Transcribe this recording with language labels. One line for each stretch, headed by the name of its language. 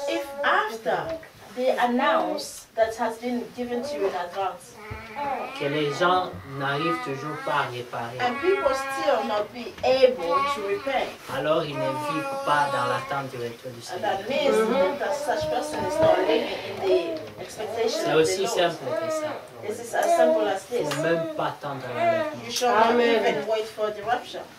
English: if after they announce that has been given to you in advance,
French: que les gens n'arrivent toujours pas à réparer.
English: And people still not be able to repair.
French: Alors ils ne vivent pas dans l'attente du retour du Seigneur.
English: That means that such person is not living in the expectation.
French: C'est aussi simple que ça.
English: This is as simple as this.
French: Faut même pas attendre.
English: You should not even wait for the rapture.